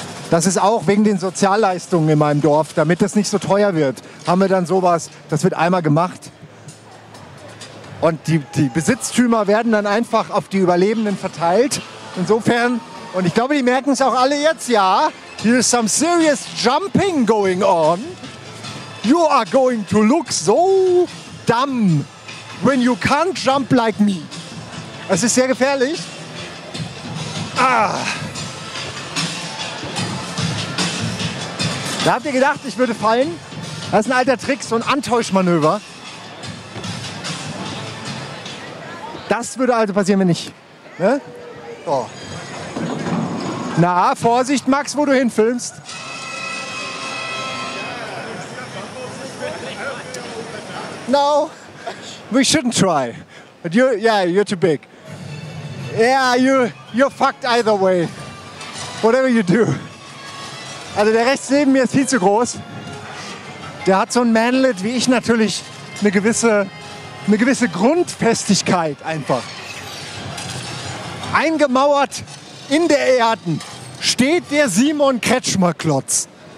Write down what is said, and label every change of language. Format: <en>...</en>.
<de>Das ist auch wegen den Sozialleistungen in meinem Dorf, damit das nicht so teuer wird, haben wir dann sowas, das wird einmal gemacht. Und die Besitztümer werden dann einfach auf die Überlebenden verteilt. Insofern, und ich glaube, die merken es auch alle jetzt, ja,</de> <en>here is some serious jumping going on. You are going to look so dumb when you can't jump like me.</en> <de>Es ist sehr gefährlich. Ah. Da habt ihr gedacht, ich würde fallen. Das ist ein alter Trick, so ein Antäuschmanöver. Das würde also passieren, wenn ich... Ne? Oh. Na, Vorsicht, Max, wo du hinfilmst.</de> <en>No, we shouldn't try. But you, yeah, you're too big. Yeah, you're fucked either way. Whatever you do.</en> <de>Also der rechts neben mir ist viel zu groß. Der hat so ein Manlet wie ich natürlich eine gewisse Grundfestigkeit einfach. Eingemauert in der Erden steht der Simon Kretschmer-Klotz.</de>